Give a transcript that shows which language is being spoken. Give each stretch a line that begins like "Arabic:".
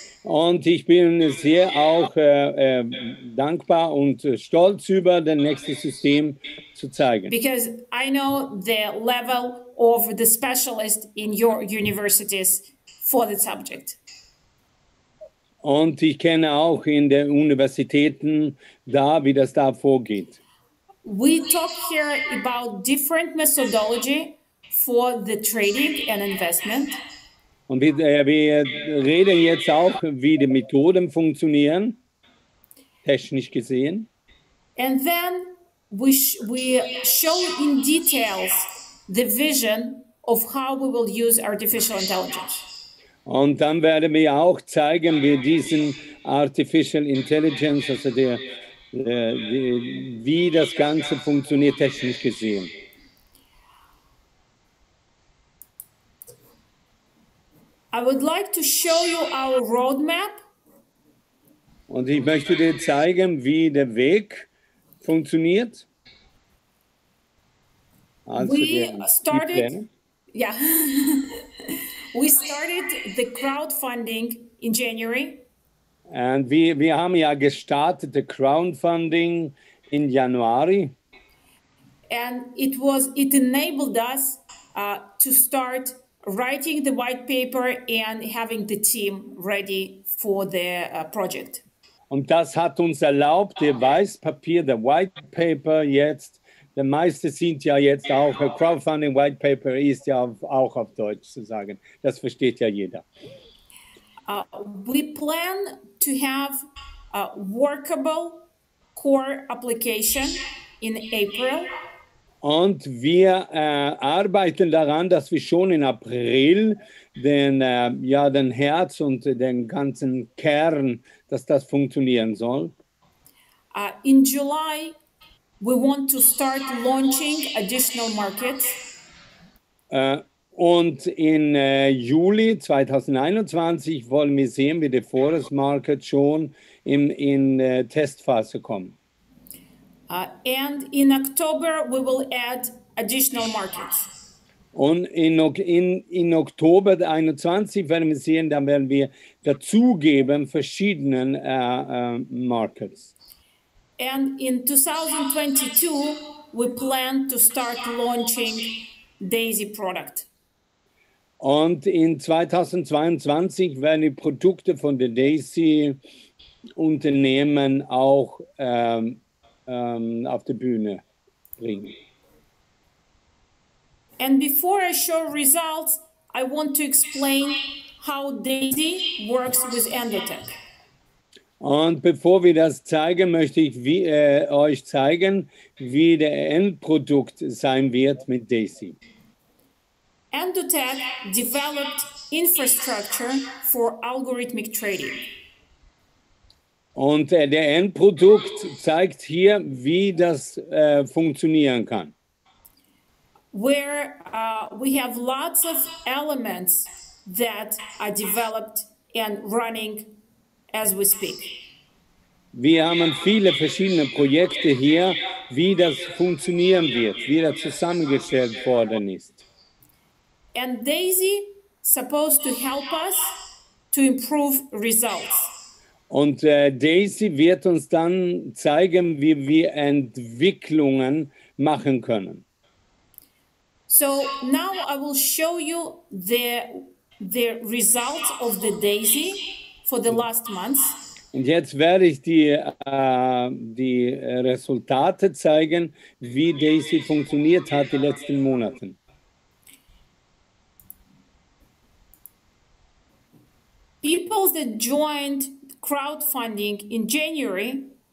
German: Und ich bin sehr auch dankbar und stolz über das nächste System zu zeigen.
English: Because I know the level of the specialist in your universities for the subject.
German: Und ich kenne auch in den Universitäten da, wie das da vorgeht.
English: We talk here about different methodology for the trading and investment.
German: Und wir reden jetzt auch, wie die Methoden funktionieren, technisch gesehen.
English: And then we show in details the vision of how we will use artificial intelligence.
German: Und dann werden wir auch zeigen, wie diesen Artificial Intelligence, also der wie das Ganze funktioniert technisch gesehen.
English: I would like to show you our roadmap.
German: Und ich möchte dir zeigen, wie der Weg funktioniert. Also
English: we started, yeah. We started the crowdfunding in January. And
German: wir haben ja gestartet
English: the crowdfunding in January. And it enabled us to start writing the white paper and having the team ready for the project.
German: Und das hat uns erlaubt, der Weißpapier, der White Paper jetzt, der meiste sind ja jetzt auch, Crowdfunding White Paper ist ja auch auf Deutsch zu sagen. Das versteht ja jeder.
English: We plan to have a workable core application in April.
German: Und wir arbeiten daran, dass wir schon in April den, ja, den Herz und den ganzen Kern, dass das funktionieren soll.
English: In July, we want to start launching additional markets.
German: Und in Juli 2021 wollen wir sehen, wie der Forest Market schon in Testphase kommt.
English: And in October, we will add additional markets.
German: Und in Oktober 2021 werden wir sehen, dann werden wir dazugeben verschiedenen Markets.
English: And in 2022, we plan to start launching Daisy product.
German: Und in 2022 werden die Produkte von den Daisy Unternehmen auch auf die Bühne bringen.
English: And before I show results, I want to explain how Daisy works with Endotech.
German: Und bevor wir das zeigen, möchte ich euch zeigen, wie der Endprodukt sein wird mit Daisy.
English: Endotech developed infrastructure for algorithmic trading.
German: Und der Endprodukt zeigt hier, wie das funktionieren kann.
English: Where we have lots of elements that are developed and running as we speak.
German: Wir haben viele verschiedene Projekte hier, wie das funktionieren wird, wie das zusammengestellt worden ist.
English: And Daisy supposed to help us to improve results.
German: Und Daisy wird uns dann zeigen, wie wir Entwicklungen machen können.
English: So now I will show you the results of the Daisy for the last month.
German: Und jetzt werde ich die Resultate zeigen, wie Daisy funktioniert hat die letzten Monate.
English: People that joined crowdfunding in January.